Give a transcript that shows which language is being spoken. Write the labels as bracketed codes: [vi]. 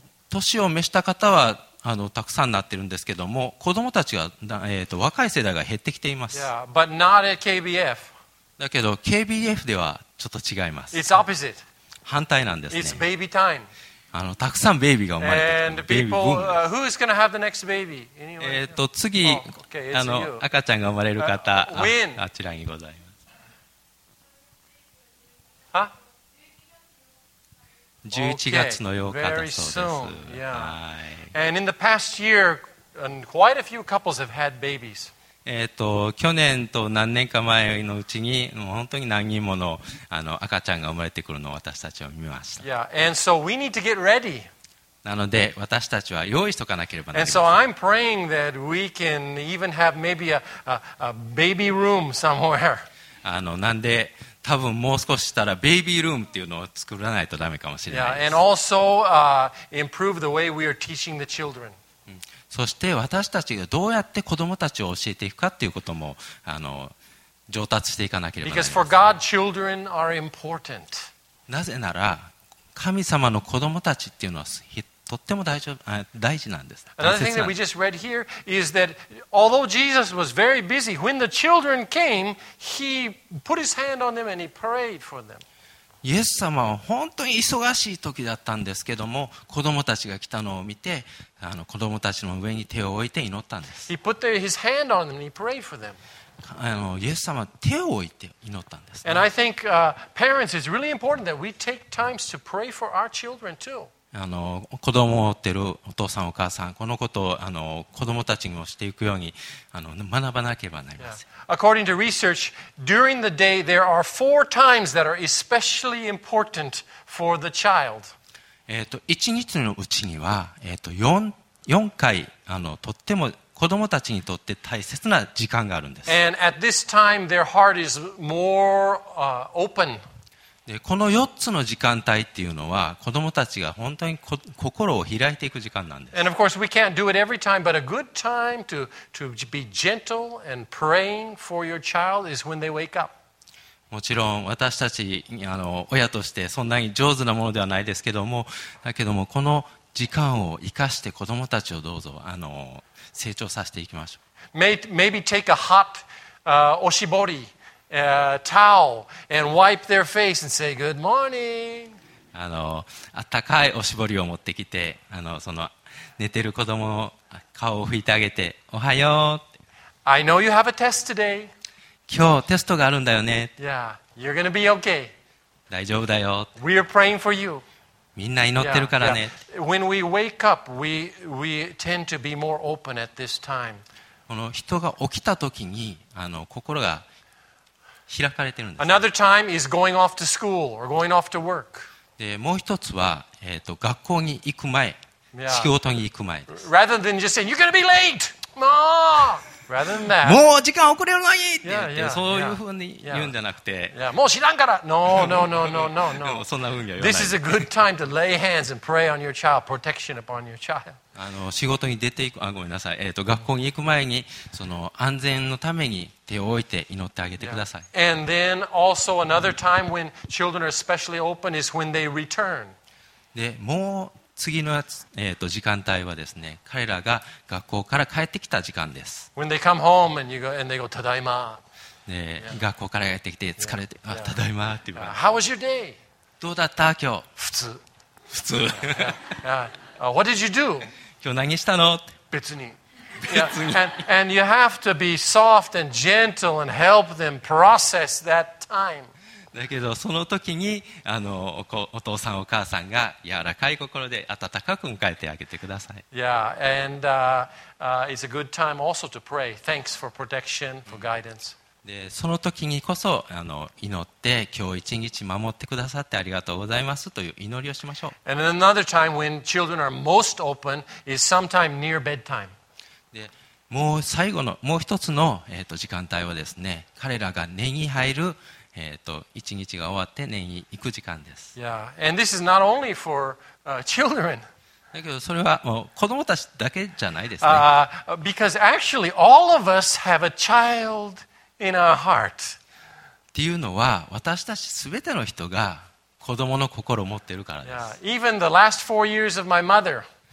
[ja] 年を召した方はたくさんなってるんですけども、子供たちが、若い世代が減ってきています。 [en] Yeah, but not at KBF. [ja] だけど KBF ではちょっと違います。 [en] It's opposite. [ja] 反対なんですね。 [en] It's baby time. [ja] たくさんベイビーが生まれてる。 [en] And people, who's going to have the next baby? Anyway. [ja] 次、 [en] okay, it's you. [ja] 赤ちゃんが生まれる方、 [en] when? [ja] あちらにございます。 Huh? 11月の8日だそうです。 [en] Okay, very soon. Yeah. And in the past year, and quite a few couples have had babies. [ja] 去年と何年か前のうちに、もう本当に何人もの、赤ちゃんが生まれてくるのを私たちは見ました。 [en] Yeah. And so we need to get ready. [ja] なので私たちは用意しておかなければなりません。 [en] And so I'm praying that we can even have maybe a baby room somewhere. [ja] なんで多分もう少ししたらベイビールームっていうのを作らないとダメかもしれないです。 [en] Yeah. And also, improve the way we are teaching the children. [ja] そして私たちがどうやって子どもたちを教えていくかということも上達していかなければなりません。 [en] Because for God, children are important. [ja] なぜなら神様の子どもたちっていうのはとっても大事なんです。 [en] Another thing that we just read here is that although Jesus was very busy, when the children came, he put his hand on them and he prayed for them. [ja] イエス様は本当に忙しい時だったんですけども、子供たちが来たのを見て子供たちの上に手を置いて祈ったんです。 [en] He put his hand on them and he prayed for them. [ja] イエス様は手を置いて祈ったんです、ね、 [en] And I think, parents, it's really important that we take times to pray for our children too. [ja] 子供を持っているお父さんお母さん、このことを子供たちにもしていくように学ばなければなりません。 [en] Yeah. According to research, during the day there are four times that are especially important for the child. [ja] 一日のうちには、4回とっても子供たちにとって大切な時間があるんです。 [en] And at this time, their heart is more, open. [ja] この4つの時間帯っていうのは子供たちが本当に心を開いていく時間なんです。 [en] And of course we can't do it every time, but a good time to be gentle and praying for your child is when they wake up. [ja] もちろん私たち親としてそんなに上手なものではないですけども、だけどもこの時間を生かして子供たちをどうぞ成長させていきましょう。 [en] Maybe take a hot, oshibori. Towel and wipe their face and say good morning. [ja] あったかいおしぼりを持ってきて、その寝てる子供の顔を拭いてあげて、おはよう。 [en] I know you have a test today. [ja] 今日テストがあるんだよね。 [en] Yeah, you're gonna be okay. [ja] 大丈夫だよ。 [en] We are praying for you. [ja] みんな祈ってるからね。 [en] When we wake up, we tend to be more open at this time. [ja] この人が起きた時に心が開かれてるんです。 [en] Another time is going off to school or going off to work. [ja] で、もう一つは、学校に行く前、仕事に行く前です。 [en] Rather than just saying, you're going to be late! Rather than that. [ja] もう時間遅れるのにって言って、そういうふうに言うんじゃなくて、もう知らんから [en] No. [ja] そんなふうには言わない。 [en] This is a good time to lay hands and pray on your child, protection upon your child. [ja] 仕事に出ていく、ごめんなさい、学校に行く前に、その安全のために手を置いて祈ってあげてください。 [en] And then also another time when children are especially open is when they return. [ja] で、もう次のやつ、時間帯はですね、彼らが学校から帰ってきた時間です。 [en] When they come home and you go, and they go, [ja] ただいま。ね、学校から帰ってきて疲れて、あ、ただいまって言う。 [en] How was your day? [ja] どうだった今日？普通。普通。 [en] What did you do? [ja] 今日何したの？別に。別に。 [en] And you have to be soft and gentle and help them process that time. [ja] だけどその時に お父さんお母さんが柔らかい心で温かく迎えてあげてください。 [en] Yeah, and it's a good time also to pray. Thanks for protection, for guidance. [ja] で、その時にこそ祈って今日一日守ってくださってありがとうございますという祈りをしましょう。 [en] And another time when children are most open is sometime near bedtime. [ja] で、もう最後のもう一つの、時間帯はですね、彼らが寝に入る一日が終わって寝に行く時間です。 [en] Yeah. And this is not only for, children. [ja] だけどそれはもう子どもたちだけじゃないですね。 [en] Because actually all of us have a child in our heart. [ja] ていうのは私たち全ての人が子供の心を持っているからです。 [en] Yeah, even the last four years of my mother,